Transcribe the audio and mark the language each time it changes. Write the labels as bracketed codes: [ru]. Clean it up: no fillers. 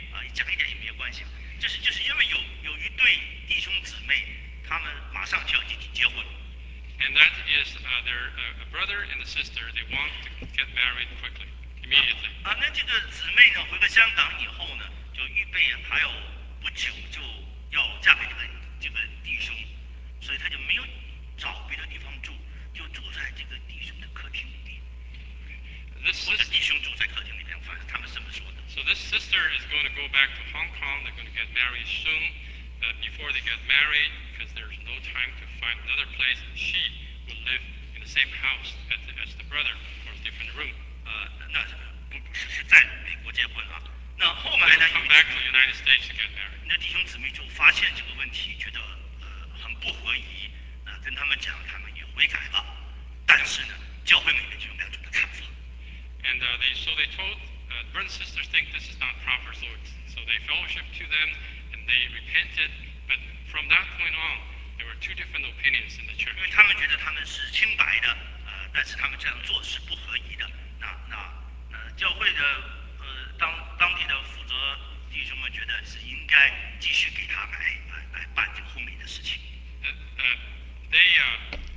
[zh] 就是因为有一对弟兄姊妹，他们马上就要结婚。 [en] And that is their a brother and a sister. They want to get married quickly, immediately. [zh] 那这个姊妹呢，回到香港以后呢，就预备还有不久就要嫁给这个弟兄，所以他就没有找别的地方住，就住在这个弟兄的客厅里。或者弟兄住在客厅里边，反正他们这么说的。 [en] So this sister is going to go back to Hong Kong. They're going to get married soon. Before they get married, because there's no time to find another place, she will live in the same house as the brother, or a different room. [zh] 那是在美国结婚啊。那后来呢？ [en] They'll come back to the United States to get married. [zh] 那弟兄姊妹就发现这个问题，觉得很不合宜。那跟他们讲，他们也悔改了。但是呢，教会里面就有两种的看法。 [en] And they told. Brothers and sisters think this is not proper, so they fellowship to them and they repented. But from that point on, there were two different opinions in the church. Because they thought they were pure, but they did this was not appropriate. The church's local brothers thought they should continue to do this wedding.